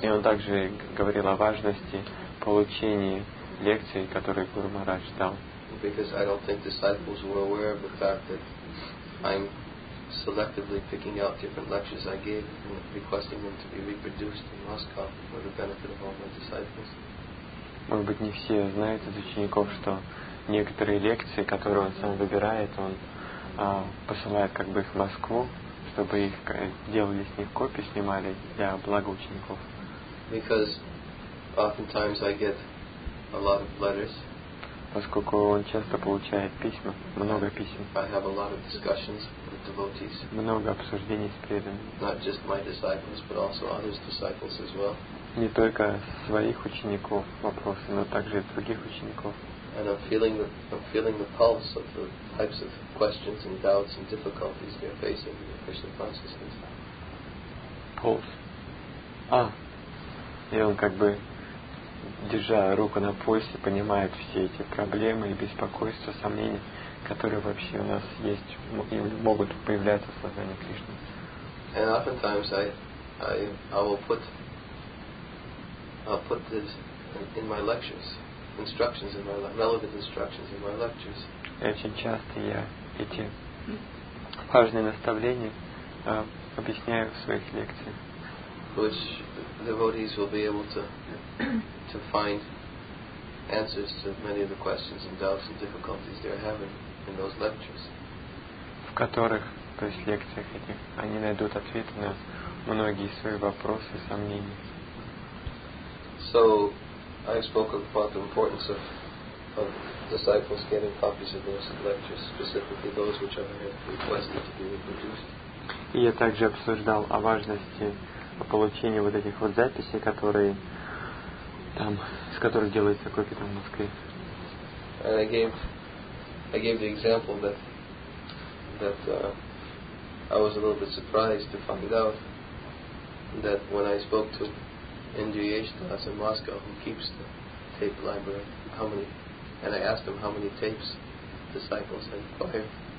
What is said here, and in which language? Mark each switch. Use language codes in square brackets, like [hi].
[ru] И он также говорил о важности получения лекций, которые Гуру Махарадж дал. [en] Because I don't think disciples were aware of the fact that I'm selectively picking out different lectures I gave and requesting them to be reproduced in Moscow for the benefit of all my disciples. [ru] Может быть, не все знают из учеников, что некоторые лекции, которые он сам выбирает, он посылает как бы их в Москву, чтобы их делали с них копии, снимали для блага учеников. [en] Because oftentimes I get a lot of letters. [ru] Поскольку он часто получает письма, много писем. [en] I have a lot of discussions with devotees. [ru] Много обсуждений с преданными. [en] Not just my disciples, but also others' disciples as well. [ru] Не только своих учеников вопросы, но также и других учеников. [en] And I'm feeling the pulse of the types of questions and doubts and difficulties they're facing in their Krishna consciousness. Pulse. А. [ru] И он как бы, держа руку на пульсе, понимает все эти проблемы и беспокойства, сомнения, которые вообще у нас есть и могут появляться в сознании Кришны. [en] And oftentimes I will put this in my lectures, instructions in my relevant instructions in my lectures. [ru] И очень часто я эти важные наставления объясняю в своих лекциях. [en] Which devotees will be able to find answers to many of the questions and doubts and difficulties they're having in those lectures. [ru] В которых, то есть лекциях этих, они найдут ответы на многие свои вопросы, сомнения. [en] So I spoke about the importance of disciples getting copies of those lectures, specifically those which I have requested to be reproduced. [ru] И я также обсуждал о важности по получению вот этих вот записей, которые там, с которых делается копия там в Москве. [en] And I gave the example that I was a little bit surprised to find out that when I spoke to Indriyeshtas in Moscow, who keeps the tape library, how many, and I asked him how many tapes disciples had acquired.